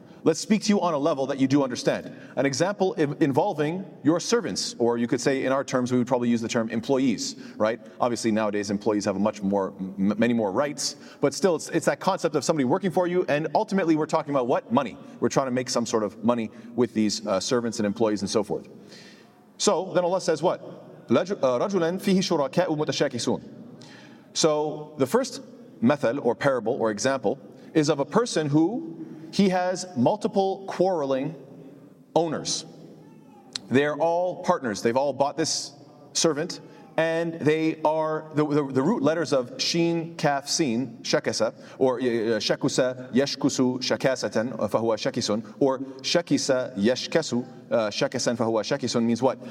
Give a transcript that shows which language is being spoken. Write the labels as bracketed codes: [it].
[en] Let's speak to you on a level that you do understand. An example involving your servants, or you could say in our terms, we would probably use the term employees, right? Obviously nowadays employees have many more rights, but still it's that concept of somebody working for you, and ultimately we're talking about what? Money. We're trying to make some sort of money with these servants and employees and so forth. So then Allah says what? [ar] رَجُلًا فِيهِ شُرَكَاءُ مُتَشَاكِسُونَ. [en] So the first method or parable or example is of a person who he has multiple quarreling owners. They're all partners. They've all bought this servant, and they are the root letters of Sheen, Kaf, Sin, Shakasa, or Shakusa, Yeshkusu, Shakasatan, Fahua, Shakisun, or Shakisa, Yeshkesu, Shakasan, Fahua, Shakisun means what?